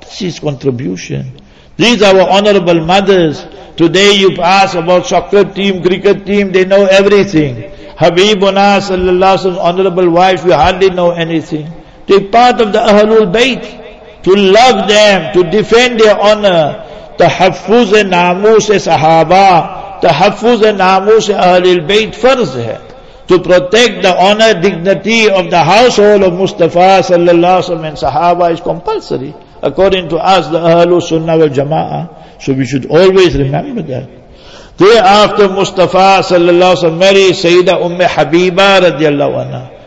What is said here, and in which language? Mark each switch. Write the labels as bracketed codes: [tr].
[en] This is contribution. These are our honorable mothers. Today you ask about soccer team, cricket team, they know everything. Habibuna sallallahu alaihi wasallam's honorable wife, we hardly know anything. They're part of the Ahlul Bayt. To love them, to defend their honor. [ur] تحفظ ناموس صحابہ, تحفظ ناموس اہل البیت فرض ہے. [en] To protect the honor, dignity of the household of Mustafa صلی اللہ علیہ وسلم and صحابہ is compulsory according to us, the اہل السنہ والجماعہ. So we should always remember that. Thereafter Mustafa sallallahu alaihi wasallam married Sayyida Umm Habiba radiallahu anha.